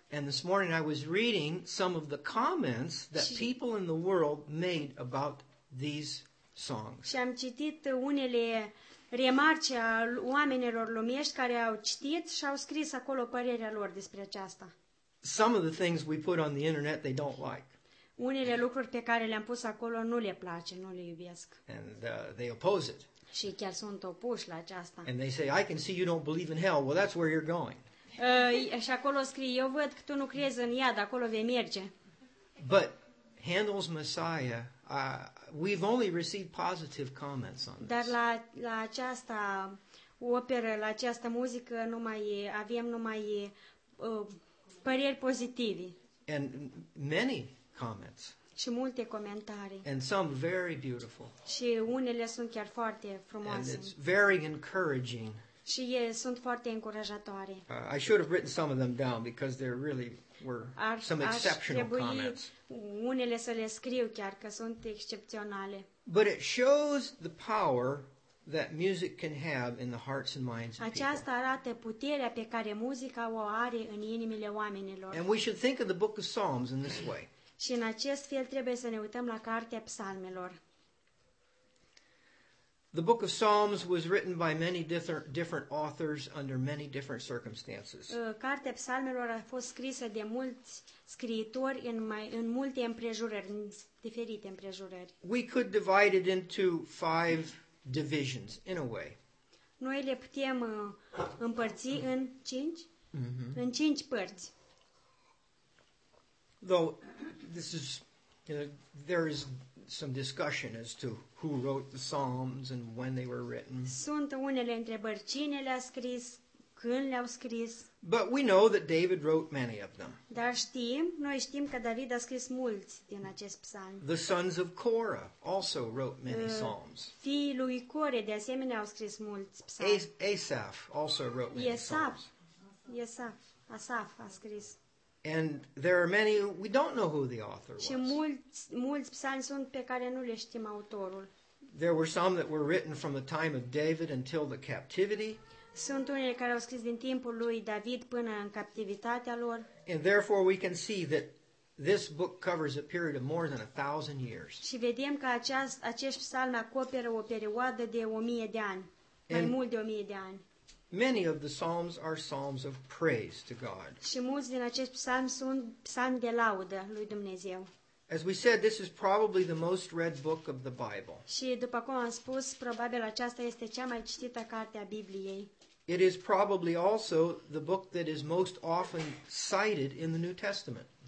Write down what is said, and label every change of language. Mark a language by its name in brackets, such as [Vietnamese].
[English] And this morning I was reading some of the comments that people in the world made about these songs. [Romanian] Și am citit unele remarci a oamenilor lumești care au citit și au scris acolo părerea lor despre aceasta. [English] Some of the things we put on the internet they don't like. [Romanian] Unele lucruri pe care le-am pus acolo nu le place, nu le iubesc. [English] And they oppose it. [Romanian] Și chiar sunt opuși la aceasta. [English] And they say, I can see you don't believe in hell. Well, that's where you're going. [Romanian] Și acolo scrie, eu văd că tu nu crezi în iad, acolo vei merge. [English] But Handel's Messiah, we've only received positive comments on this. [Romanian] Dar la această operă, la această muzică, avem numai păreri pozitive. [English] And many comments. [Romanian] Și multe comentarii. [English] And some very beautiful. [Romanian] Și unele sunt chiar foarte frumoase. [English] And it's very encouraging. [Romanian] Și sunt foarte încurajatoare. [English] I should have written some of them down because there really were some exceptional comments. [Romanian] Unele să le scriu chiar că sunt excepționale. [English] But it shows the power that music can have in the hearts and minds of people. [Romanian] Aceasta arată puterea pe care muzica o are în inimile oamenilor. [English] And we should think of the book of Psalms in this way. [Romanian] Și în acest fel trebuie să ne uităm la cartea psalmelor. [English] The book of Psalms was written by many different authors under many different circumstances. [Romanian] Cartea psalmelor a fost scrisă de mulți scriitori în multe împrejurări, în diferite împrejurări. [English] We could divide it into five divisions in a way. [Romanian] Noi le putem împărți în cinci? Mm-hmm. În cinci părți. [English] Though this is, there is some discussion as to who wrote the Psalms and when they were written. [Romanian] Sunt unele întrebări, cine le-a scris, când le-au scris. [English] But we know that David wrote many of them. [Romanian] Dar știm, noi știm că David a scris mulți din acest psalm. [English] The sons of Korah also wrote many psalms. [Romanian] Fiii lui Core de asemenea au scris mulți psalmi. [English] Asaph also wrote many [Romanian] Asaph. [English] Psalms. [Romanian] Asaph a scris. [English] And there are many we don't know who the author was. [Romanian] Și mulți psalmi sunt pe care nu le știm autorul. [English] There were some that were written from the time of David until the captivity. [Romanian] Sunt unele care au scris din timpul lui David până în captivitatea lor. [English] And therefore we can see that this book covers a period of more than 1,000 years. [Romanian] Și vedem că acești psalmi acoperă o perioadă de 1000 de ani, mai mult de 1000 de ani. [English] Many of the psalms are psalms of praise to God. [Romanian] Și mulți din acești psalmi sunt psalmi de laudă lui Dumnezeu. [English] As we said, this is probably the most read book of the Bible. [Romanian] Și după cum am spus, probabil aceasta este cea mai citită carte a Bibliei. [English] It is probably also the book that is most often cited in the New Testament.